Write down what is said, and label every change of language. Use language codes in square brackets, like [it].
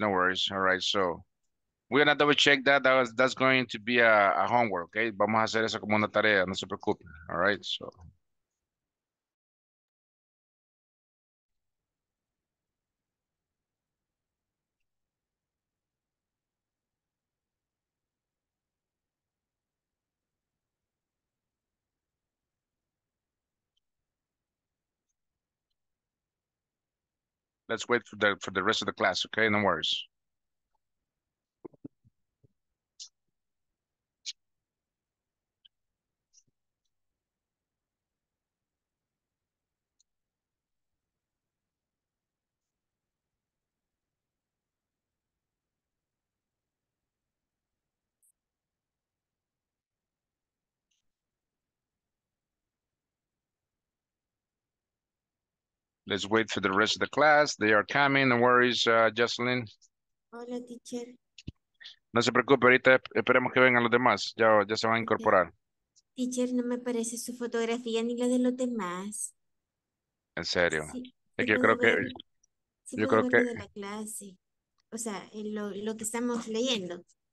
[en] All right, so we're going to double check that. That's going to be a homework, okay? [es] Vamos a hacer eso como una tarea, no se preocupen. [en] All right, so. Let's wait for the rest of the class, okay? No worries. Let's wait for the rest of the class. They are coming. No worries, Jocelyn. [es] Hola, teacher. No se preocupe, ahorita esperemos que vengan los demás. Ya se van a incorporar. Teacher, no me parece su fotografía ni la de los demás. En serio. Sí, es que yo creo que... Sí, yo creo que... De la clase. O sea, lo que estamos leyendo.